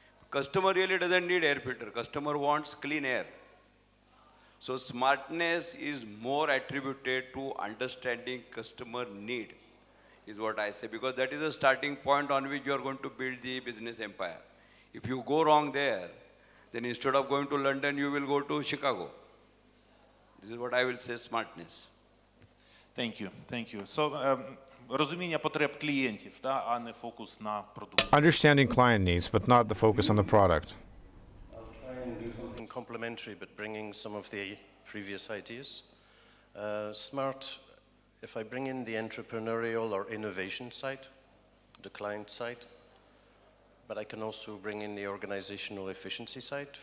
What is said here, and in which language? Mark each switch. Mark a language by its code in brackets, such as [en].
[en] Customer really doesn't need air filter. Customer wants clean air. So smartness is more attributed to understanding customer need, is what I say. Because that is a starting point on which you are going to build the business empire. If you go wrong there, then instead of going to London, you will go to Chicago. This is what I will say, smartness. Thank you. Thank you. [uk] So, розуміння потреб клієнтів, да, а не фокус на продукт. [en] Understanding client needs, but not the focus on the product. I'll try and do something complementary, but bringing some of the previous ideas. Smart, if I bring in the entrepreneurial or innovation side, the client side, but I can also bring in the organizational efficiency side.